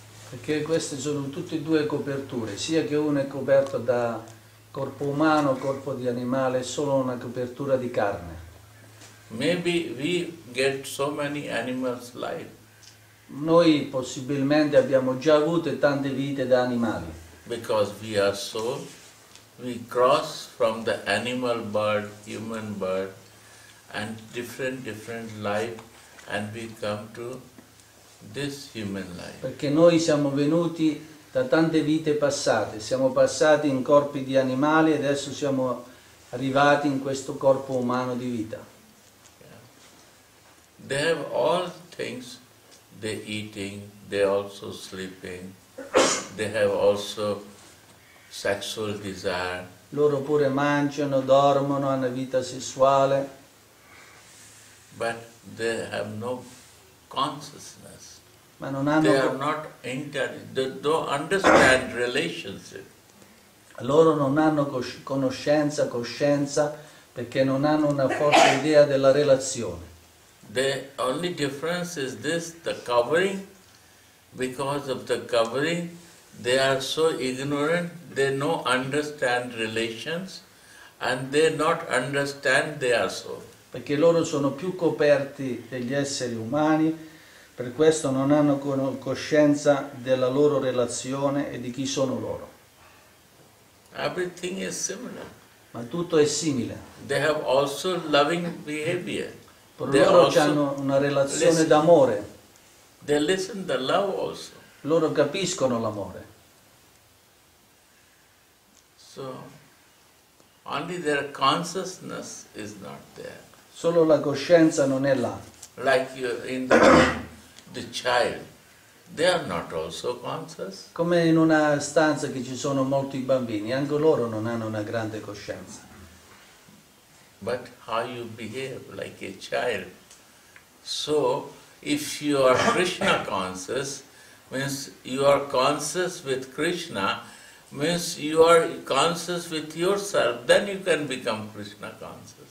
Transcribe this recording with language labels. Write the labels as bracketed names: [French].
[Italian] Perché queste sono tutte e due coperture, sia che uno è coperto da corpo umano, corpo di animale, solo una copertura di carne. [English] Maybe we get so many animals' life. [Italian] Noi possibilmente abbiamo già avuto tante vite da animali. [English] Because we are soul, we cross from the animal bird, human bird, and different life, and we come to this human life. [Italian] Perché noi siamo venuti da tante vite passate, siamo passati in corpi di animali e adesso siamo arrivati in questo corpo umano di vita. [English] They have all things, they eating, they also sleeping, they have also sexual desire. [Italian] Loro pure mangiano, dormono, hanno vita sessuale. [English] But they have no consciousness. [Italian] Ma non hanno. [English] They are not intelligent. They don't understand relationship. [Italian] Loro non hanno coscienza, perché non hanno una forte idea della relazione. [English] The only difference is this, the covering. Because of the covering, they are so ignorant, they no understand relations, and they not understand they are so. [Italian] Perché loro sono più coperti degli esseri umani, per questo non hanno coscienza della loro relazione e di chi sono loro. [English] Everything is similar. [Italian] Ma tutto è simile. [English] They have also loving behavior. [Italian] Per loro hanno una relazione d'amore. [English] They listen the love also. [Italian] Loro capiscono l'amore. [English] So only their consciousness is not there. [Italian] Solo la coscienza non è là. [English] Like you in the child, they are not also conscious. [Italian] Come in una stanza che ci sono molti bambini, anche loro non hanno una grande coscienza. [English] But how you behave like a child. So, if you are Krishna conscious, means you are conscious with Krishna, means you are conscious with yourself, then you can become Krishna conscious.